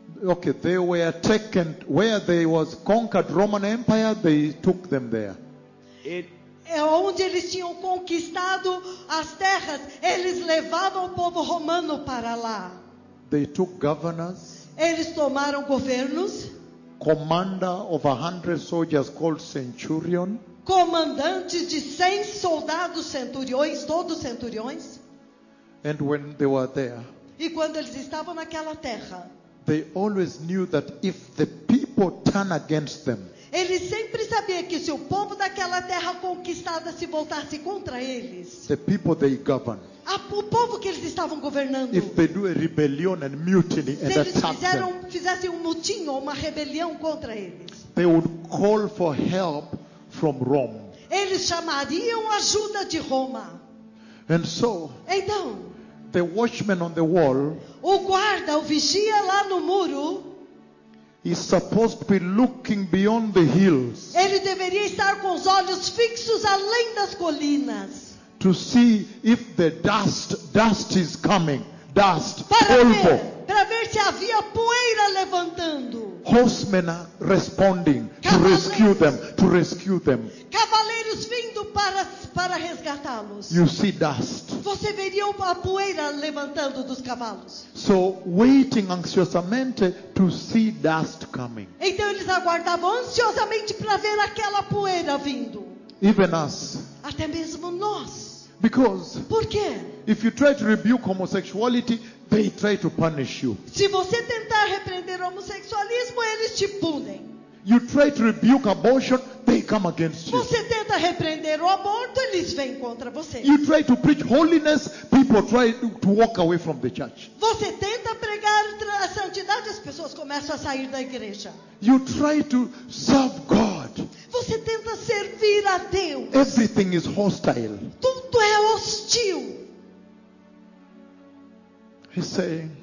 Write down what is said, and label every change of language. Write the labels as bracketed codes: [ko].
[en] Okay, they were taken where they was conquered Roman Empire, they took them there. [pt] É onde eles tinham conquistado as terras, eles levavam o povo romano para lá. [en] They took governors. [pt] Eles tomaram governos. [en] Commander of 100 soldiers called centurion. [pt] Comandantes de 100 soldados centuriões, todos centuriões. [en] And when they were there. [pt] E quando eles estavam naquela terra. [en] They always knew that if the people turn against them. [pt] Eles sempre sabiam que se o povo daquela terra conquistada se voltasse contra eles. [en] The people they govern. [pt] O povo que eles estavam governando. [en] If they do a rebellion and mutiny [pt] se [en] and [pt] eles [en] attack [pt] fizeram, [en] them, [pt] fizessem um mutim ou uma rebelião contra eles. [en] They would call for help from Rome. [pt] Eles chamariam ajuda de Roma. [en] And so, [pt] então, [en] the watchman on the wall, [pt] o guarda, o vigia lá no muro, [en] is supposed to be looking beyond the hills. [pt] Ele deveria estar com os olhos fixos além das colinas. [en] To see if the dust is coming, dust, polvo. [pt] Para ver se havia poeira levantando. [en] Horsemen responding to rescue them. [pt] Cavaleiros vindo para resgatá-los. [en] You see dust. [pt] Você veria a poeira levantando dos cavalos. [en] So waiting anxiously to see dust coming. [pt] Então eles aguardavam ansiosamente para ver aquela poeira vindo. [en] Even us. [pt] Até mesmo nós. [en] Because [pt] por quê? [en] If you try to rebuke homosexuality, they try to punish you. [pt] Se você tentar repreender o homossexualismo, eles te punem. [en] You try to rebuke abortion, they come against you. [pt] Você tenta repreender o aborto, eles vêm contra você. [en] You try to preach holiness, people try to walk away from the church. [pt] Você tenta pregar a santidade, as pessoas começam a sair da igreja. [en] You try to serve God. [pt] Você tenta servir a Deus. [en] Everything is hostile. [pt] Tudo é hostil. [en] He's saying,